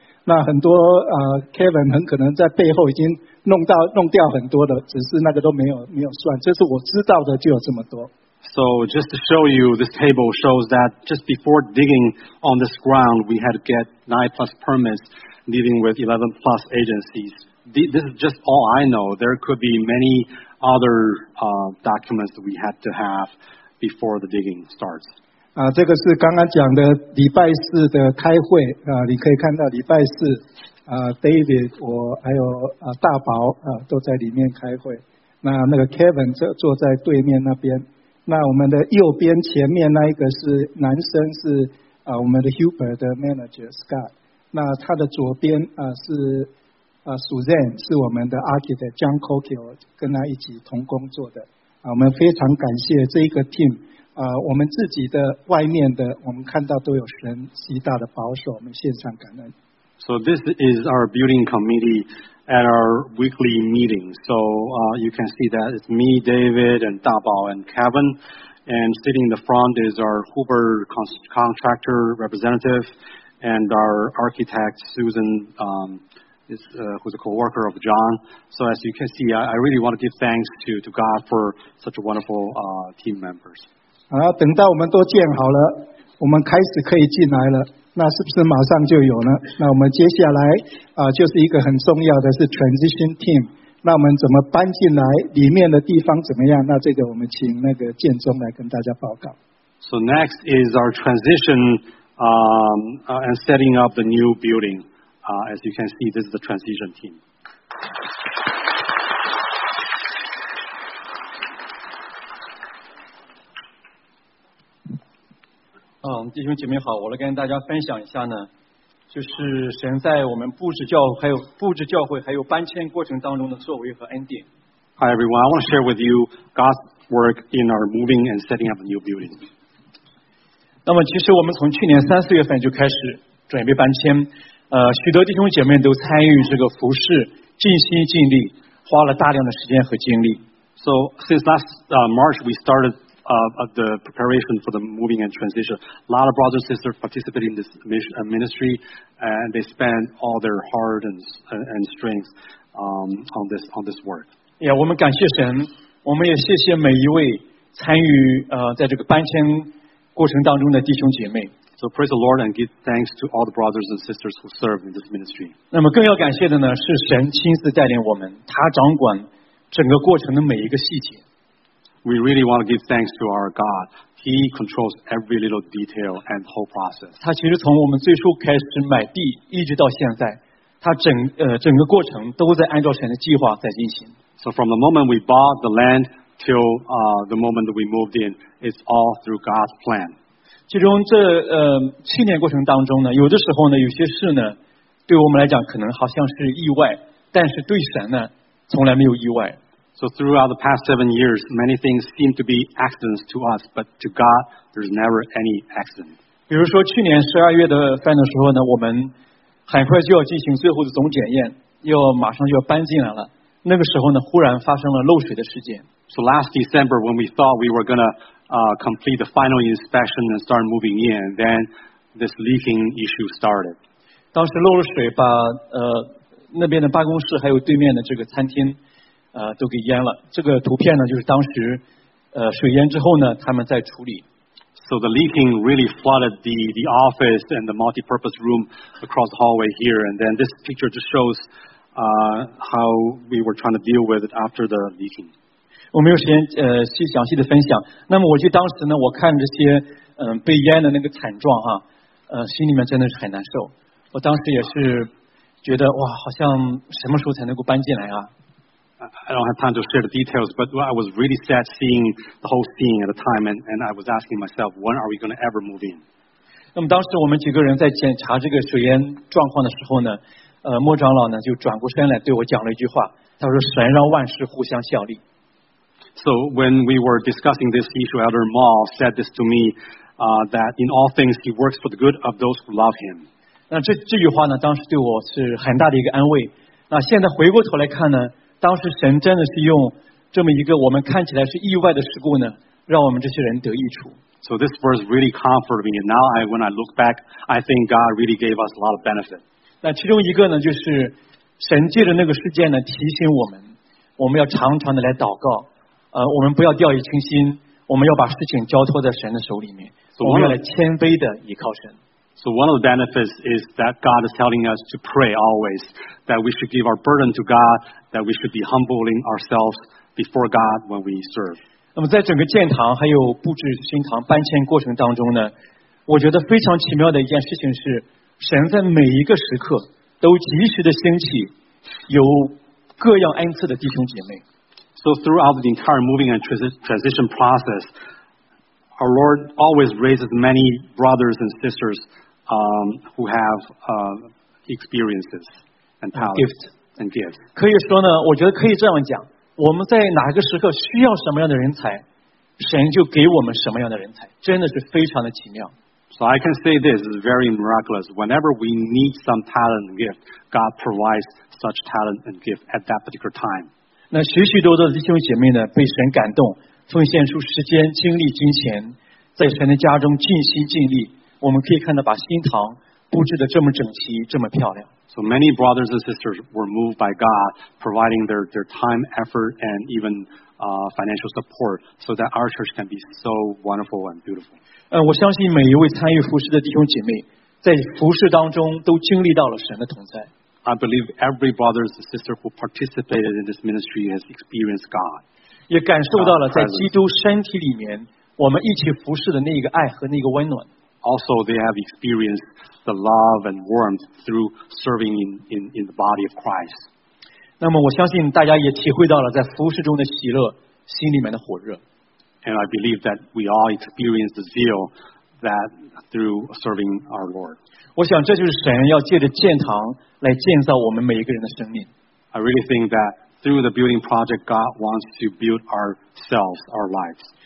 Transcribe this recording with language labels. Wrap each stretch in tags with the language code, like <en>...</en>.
<zh>那很多Kevin 很可能在背后已经弄掉很多的，只是那个都没有算，这是我知道的就有这么多。</zh> <en>So just to show you, this table shows that just before digging on this ground, we had to get 9 plus permits, dealing with 11 plus agencies. This is just all I know. There could be many other documents that we had to have before the digging starts.</en> <zh>这个是刚刚讲的礼拜四的开会你可以看到礼拜四David 我还有大宝都在里面开会。那个 Kevin 坐在对面那边。那我们的右边前面那一个是男生是我们的 Huber 的 manager Scott 那他的左边是Suzanne， 是我们的 architect John Cokio， 跟他一起同工作的。我们非常感谢这一个 team。我们自己的外面的，我们看到都有神极大的保守，我们献上感恩。</zh> <en>So this is our building committee at our weekly meeting. So you can see that it's me, David, and Da Bao and Kevin. And sitting in the front is our Hoover contractor representative and our architect Susan, who's a co-worker of John. So as you can see, I really want to give thanks to God for such wonderful team members.</en> <zh>然后等到我们都建好了，我们开始可以进来了。那是不是马上就有呢？那我们接下来就是一个很重要的是 transition team。那我们怎么搬进来？里面的地方怎么样？那这个我们请那个建中来跟大家报告。</zh> <en>So next is our transition and setting up the new building. As you can see, this is the transition team.</en> <zh>弟兄姐妹好，我来跟大家分享一下呢，就是神在我们布置教会还有搬迁过程当中的作为和恩典。</zh> <en>Hi everyone, I want to share with you God's work in our moving and setting up a new building.</en> <zh>那么其实我们从去年三四月份就开始准备搬迁，许多弟兄姐妹都参与这个服事，尽心尽力，花了大量的时间和精力。</zh> <en>So since last March we started. Of the preparation for the moving and transition. A lot of brothers and sisters participated in this ministry and they spent all their heart and strength on this work.</en> <zh>Yeah, 我们感谢神，我们也谢谢每一位参与在这个搬迁过程当中的弟兄姐妹。</zh> <en>So praise the Lord and give thanks to all the brothers and sisters who served in this ministry.</en> <zh>那么更要感谢的呢，是神亲自带领我们，他掌管整个过程的每一个细节。</zh> <en>We really want to give thanks to our God. He controls every little detail and whole process.</en> <zh>他其实从我们最初开始买地一直到现在，他整个过程都在按照神的计划在进行。</zh> <en>So from the moment we bought the land till the moment we moved in, it's all through God's plan.</en> <zh>其中这七年过程当中呢，有的时候呢，有些事呢，对我们来讲可能好像是意外，但是对神呢，从来没有意外。</zh> <en>So throughout the past 7 years, many things seem to be accidents to us, but to God, there's never any accident.</en> <zh>比如说去年12月的份的时候呢，我们很快就要进行最后的总检验，要马上就要搬进来了。那个时候呢，忽然发生了漏水的事件。</zh> <en>So last December, when we thought we were going to complete the final inspection and start moving in, then this leaking issue started.</en> <zh>当时漏了水，把那边的办公室还有对面的这个餐厅都给淹了。这个图片呢，就是当时水淹之后呢，他们在处理。</zh> <en>So the leaking really flooded the office and the multi-purpose room across the hallway here. And then this picture just shows how we were trying to deal with it after the leaking.</en> <zh>我没有时间去详细的分享。那么我就当时呢，我看这些被淹的那个惨状哈，心里面真的是很难受。我当时也是觉得哇，好像什么时候才能够搬进来啊？</zh> <en>I don't have time to share the details, but I was really sad seeing the whole scene at the time, and I was asking myself, when are we going to ever move in?</en> <zh>那么当时我们几个人在检查这个水淹状况的时候呢，莫长老呢就转过身来对我讲了一句话，他说：“神让万事互相效力。”</zh> <en>So when we were discussing this issue, Elder Ma said this to me, that in all things he works for the good of those who love him.</en> <zh>那这句话呢，当时对我是很大的一个安慰。那现在回过头来看呢。当时神真的是用这么一个我们看起来是意外的事故呢，让我们这些人得益处。</zh> <en>So this verse really comforted me. Now when I look back, I think God really gave us a lot of benefit.</en> <zh>那其中一个呢，就是神借着那个事件呢，提醒我们，我们要常常的来祷告，我们不要掉以轻心，我们要把事情交托在神的手里面， so、我们要来谦卑的依靠神。</zh> <en>So one of the benefits is that God is telling us to pray always, that we should give our burden to God, that we should be humbling ourselves before God when we serve.</en> <zh>那么在整个建堂还有布置新堂搬迁过程当中呢，我觉得非常奇妙的一件事情是，神在每一个时刻都及时的兴起有各样恩赐的弟兄姐妹。</zh> <en>So throughout the entire moving and transition process,Our Lord always raises many brothers and sisters who have experiences and talents and gifts.</en> <zh>可以说呢，我觉得可以这样讲，我们在哪个时刻需要什么样的人才，神就给我们什么样的人才，真的是非常的奇妙。</zh> <en>So I can say this is very miraculous. Whenever we need some talent and gift, God provides such talent and gift at that particular time.</en> <zh>那许许多多的弟兄姐妹呢，被神感动，奉献出时间、精力、金钱，在神的家中尽心尽力。我们可以看到，把新堂布置的这么整齐，这么漂亮。</zh> <en>So many brothers and sisters were moved by God, providing their time, effort, and even financial support, so that our church can be so wonderful and beautiful.</en> <zh>我相信每一位参与服事的弟兄姐妹，在服事当中都经历到了神的同在。</zh> <en>I believe every brother and sister who participated in this ministry has experienced God.</en> <zh>也感受到了在基督身体里面，我们一起服事的那个爱和那个温暖。</zh> <en>Also, they have experienced the love and warmth through serving in the body of Christ.</en> <zh>那么我相信大家也体会到了在服事中的喜乐，心里面的火热。</zh> <en>And I believe that we all experience the zeal that through serving our Lord.</en> <zh>我想这就是神要借着建堂来建造我们每一个人的生命。</zh> <en>I really think that through the building project, God wants to build ourselves, our lives.</en>